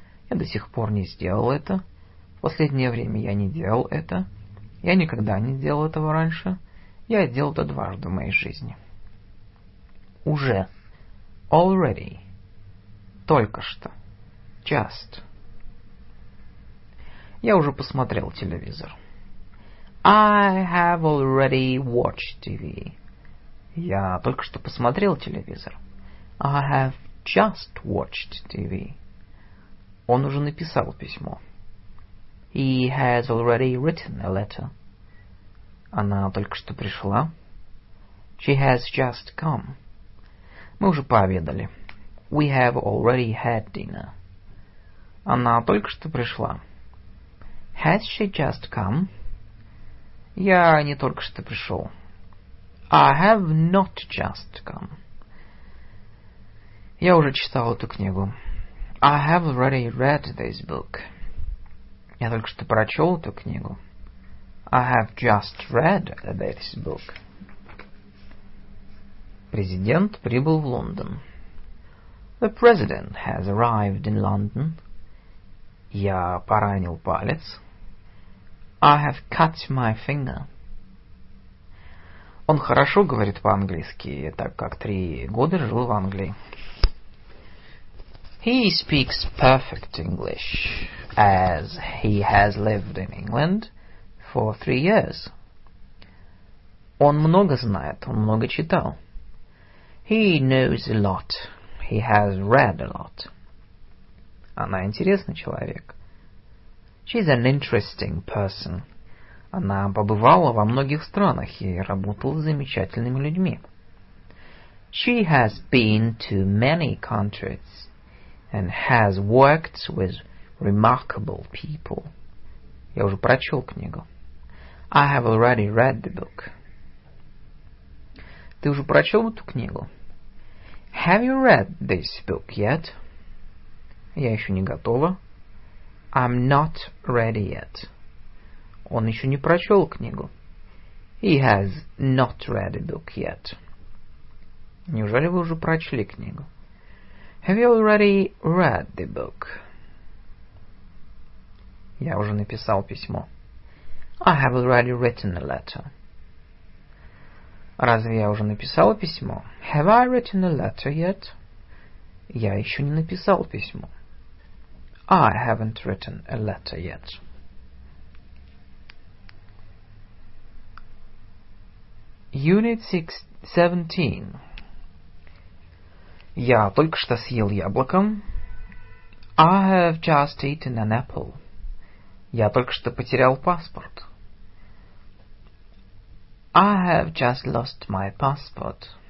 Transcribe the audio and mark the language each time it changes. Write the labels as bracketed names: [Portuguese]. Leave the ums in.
[Russian] Я до сих пор не сделал это. В последнее время я не делал это. Я никогда не делал этого раньше. Я делал это дважды в моей жизни. Уже. Already. Только что. Just. Я уже посмотрел телевизор. [English] I have already watched TV. [Russian] Я только что посмотрел телевизор. [English] I have just watched TV. [Russian] Он уже написал письмо. [English] He has already written a letter. [Russian] Она только что пришла. [English] She has just come. [Russian] Мы уже пообедали. [English] We have already had dinner. [Russian] Она только что пришла. [English] Has she just come? [Russian] Я не только что пришел. [English] I have not just come. [Russian] Я уже читал эту книгу. [English] I have already read this book. [Russian] Я только что прочел эту книгу. [English] I have just read this book. [Russian] Президент прибыл в Лондон. [English] The president has arrived in London. [Russian] Я поранил палец. [English] I have cut my finger. [Russian] Он хорошо говорит по-английски, так как три года жил в Англии. [English] He speaks perfect English, as he has lived in England for three years. [Russian] Он много знает, он много читал. [English] He knows a lot. He has read a lot. [Russian] Она интересный человек. [English] She's an interesting person. [Russian] Она побывала во многих странах и работала с замечательными людьми. [English] She has been to many countries and has worked with remarkable people. [Russian] Я уже прочел книгу. [English] I have already read the book. [Russian] Ты уже прочел эту книгу? [English] Have you read this book yet? [Russian] Я еще не готова. [English] I'm not ready yet. [Russian] Он еще не прочел книгу. [English] He has not read a book yet. [Russian] Неужели вы уже прочли книгу? [English] Have you already read the book? [Russian] Я уже написал письмо. [English] I have already written a letter. [Russian] Разве я уже написал письмо? [English] Have I written a letter yet? [Russian] Я еще не написал письмо. [English] I haven't written a letter yet. Unit 6, 17. [Russian] Я только что съел яблоко. [English] I have just eaten an apple. [Russian] Я только что потерял паспорт. [English] I have just lost my passport.